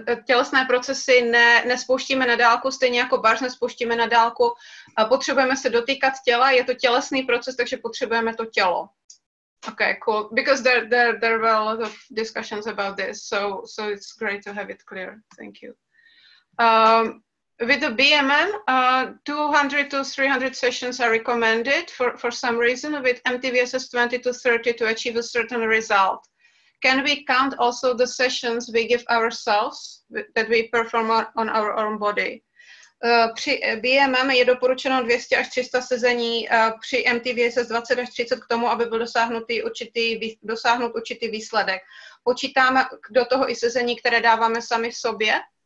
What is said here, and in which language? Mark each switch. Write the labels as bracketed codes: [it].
[cs] Tělesné procesy nespouštíme na dálku, stejně jako bars nespouštíme na dálku. Potřebujeme se dotýkat těla, je to tělesný proces, takže potřebujeme to tělo. [en] Okay, cool. Because there were a lot of discussions about this, so it's great to have it clear. Thank you. With the BMM, 200 to 300 sessions are recommended for some reason. With MTVSS, 20 to 30 to achieve a certain result. Can we count also the sessions we give ourselves that we perform on our own body? [cs] Při BMM je doporučeno 200 až 300 sezení, při MTVSS 20 až 30 k tomu, aby byl dosáhnut určitý výsledek. Počítáme do toho i sezení, které dáváme sami sobě.